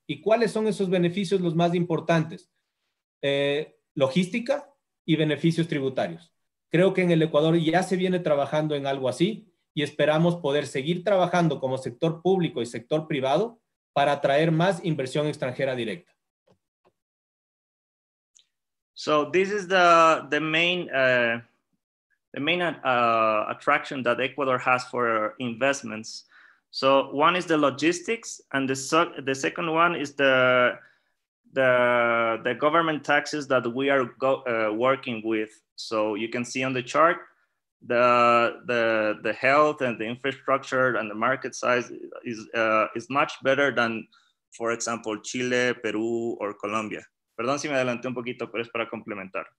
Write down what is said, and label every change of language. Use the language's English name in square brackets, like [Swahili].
[Spanish] ¿Y cuáles son esos beneficios los más importantes? Logística y beneficios tributarios. Creo que en el Ecuador ya se viene trabajando en algo así y esperamos poder seguir trabajando como sector público y sector privado para atraer más inversión extranjera directa. [English] So this is the main attraction that Ecuador has for investments. So one is the logistics, and the second one is the government taxes that we are working with. So you can see on the chart the health and the infrastructure and the market size is much better than, for example, Chile, Peru, or Colombia. [Spanish] Perdón si me adelanté un poquito, pero es para complementar.